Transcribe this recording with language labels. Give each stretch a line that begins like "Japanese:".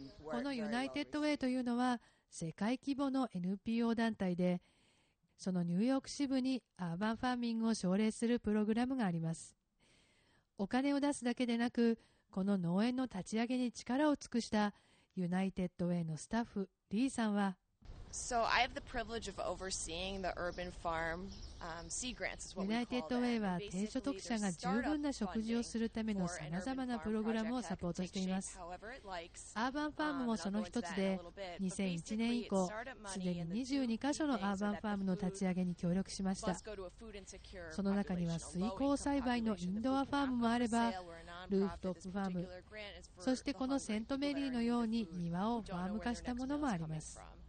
Japanese: このユナイテッドウェイというのは世界規模の NPO 団体で、そのニューヨーク支部にアーバンファーミングを奨励するプログラムがあります。お金を出すだけでなく、この農園の立ち上げに力を尽くしたユナイテッドウェイのスタッフリーさんは、
English: So I have the privilege of overseeing the urban farm, C grants is what we call it.
Japanese: ユナイテッドウェイは低所得者が十分な食事をするためのさまざまなプログラムをサポートしています。アーバンファームもその一つで、2001年以降すでに22箇所のアーバンファームの立ち上げに協力しました。その中には水耕栽培のインドアファームもあれば、ルーフトップファーム、そしてこのセントメリーのように庭をファーム化したものもあります。